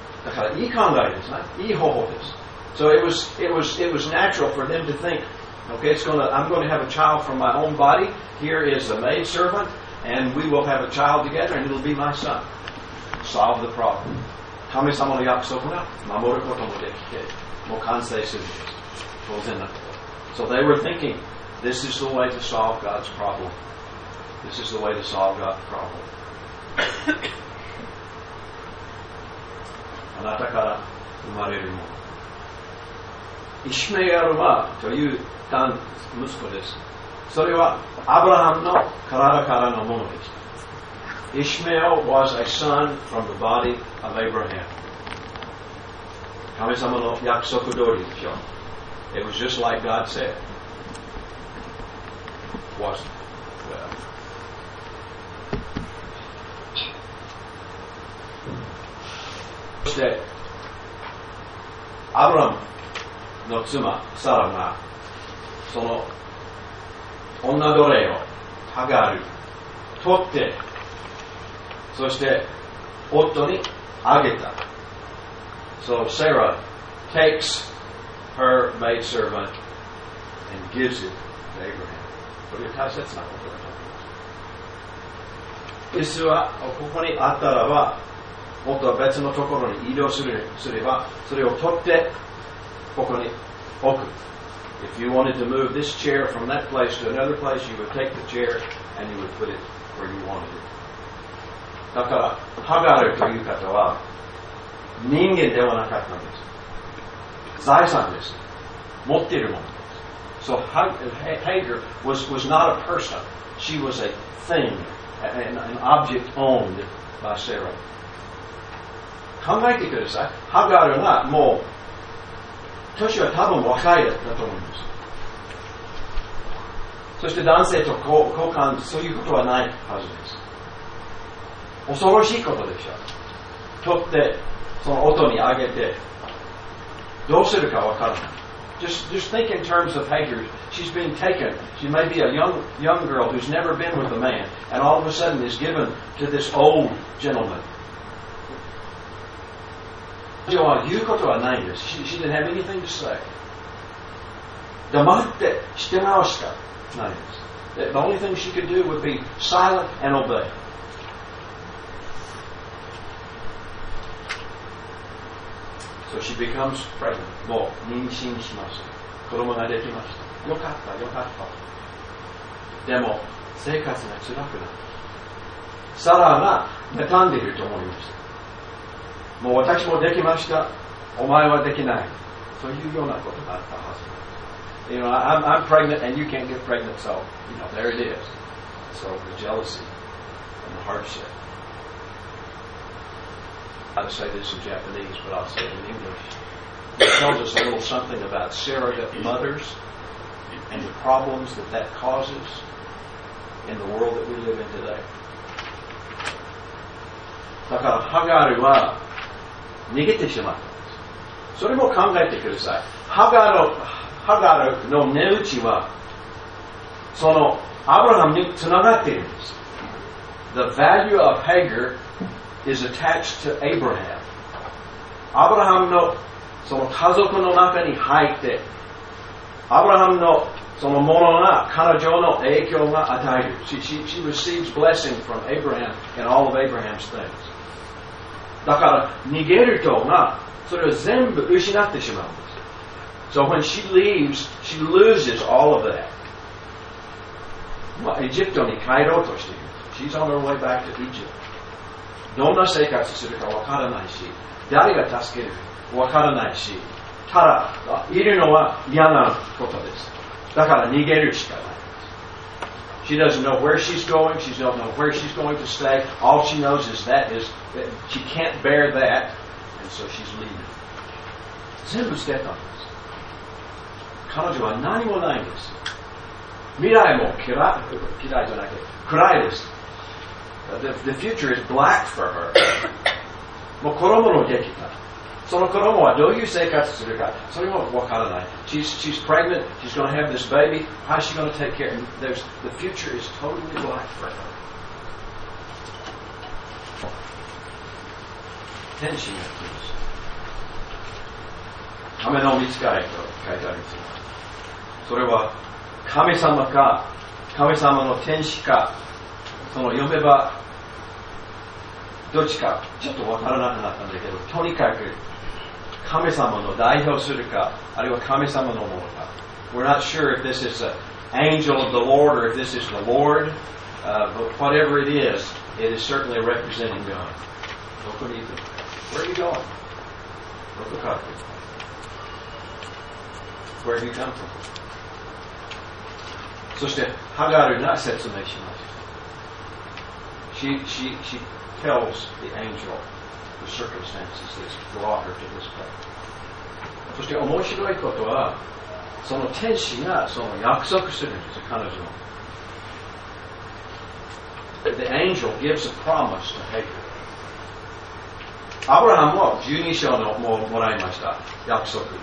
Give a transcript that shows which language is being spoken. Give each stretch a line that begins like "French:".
Japanese: だからいい考えですね。いい方法です。
English: So it was natural for them to think, okay, I'm going to have a child from my own body. Here is a maid servant, and we will have a child together, and it will be my son. Solve the problem.
Japanese: 神様の約束が守ることもできて、もう完成するんです。当然だと。
English: So they were thinking, this is the way to solve God's problem. This is the way to solve God's problem.
Japanese: あなたから生まれるもの。イシメヤルはという男息子です。それはアブラハムの体からのものでした。
English: Ishmael was a son from the body of Abraham.
Japanese: 神様の約束通りでしょ。
English: It was just like God said. Was well.
Japanese: そして、アブラムの妻、サラが、その女奴隷を、ハガール、取って、そして夫にあげた。
English: So Sarah takes her maid servant and gives it to Abraham.
Japanese: これは大切なことだと思います。椅子はここにあったらば、もっと別のところに移動すれば、それを取ってここに置く。
English: If you wanted to move this chair from that place to another place, you would take the chair and you would put it where you wanted it.
Japanese: だから、ハガルという方は人間ではなかったんです。財産です。持っているものです。
English: So Hagar was not a person. She was a thing, an object owned by Sarah.
Japanese: 考えてください。ハガルがもう、年は多分若いだと思います。そして男性と交換、そういうことはないはずです。恐ろしいことでした。取って、その音にあげて、どうするかわからない。
English: Just think in terms of Hagar. She's been taken. She may be a young girl who's never been with a man, and all of a sudden is given to this old gentleman. She
Japanese: は言うことはないんです。
English: She didn't have anything to say.
Japanese: 黙ってしてなおしかないんです。
English: The only thing she could do would be silent and obey. So she becomes pregnant.
Japanese: もう妊娠しました。子供ができました。よかった、よかった。でも、生活が辛くなった。サラが妬んでいると思いました。もう私もできました。お前はできない。そういうようなことがあったはずです。
English: You know, I'm pregnant and you can't get pregnant, so, you know, there it is. So the jealousy and the hardship. I'd say this in Japanese, but I'll say it in English. It tells us a little something about surrogate mothers and the problems that that causes in the world that we live in today.
Japanese: だから、ハガルは逃げてしまったんです。それも考えてください。ハガルの値打ちは、そのアブラハムにつながっているんです。
English: The value of Hagar. Is attached to Abraham.
Japanese: Abraham のその家族の中に入って、Abraham のそのものが彼女の影響が与える。
English: She receives blessing from Abraham and all of Abraham's things.
Japanese: だから逃げるとな、それを全部失ってしまうんです。
English: So when she leaves, she loses all of that.
Japanese: まあ、エジプトに帰ろうとしている。
English: She's on her way back to Egypt.
Japanese: どんな生活をするかわからないし、誰が助けるかわからないし、ただいるのは嫌なことです。だから逃げるしかないです。
English: She doesn't know where she's going. She doesn't know where she's going to stay. All she knows is that is that she can't bear that, and so she's leaving.
Japanese: 全部捨てたんです。彼女は何もないんです。未来も嫌いじゃなくて暗いです。
English: The future is black for her.
Japanese: もう子供のできた。その子供はどういう生活をするか、それも分からない。
English: She's pregnant. She's going to have this baby. How is she going to take care? The future is totally black for her.
Japanese: 天使が来ます。雨の見つかりと書いてあります。それは神様か、神様の天使か、その読めばどっちかちょっと分からなくなったんだけど、とにかく神様の代表するか、あるいは神様のものか。
English: We're not sure if this is an angel of the Lord or if this is the Lord,、but whatever it is certainly representing God.
Japanese: どこに行くの？
English: Where are you going?
Japanese: どこから来るの？
English: Where have you come from?
Japanese: そして、ハガルが説明します。
English: She tells the angel. The circumstances that brought her to this place.
Japanese: そして面白いことは、その天使がその約束するんです、彼女の。
English: The angel gives a promise to Hagar.
Japanese: アブラハムは12章のもらいました、約束。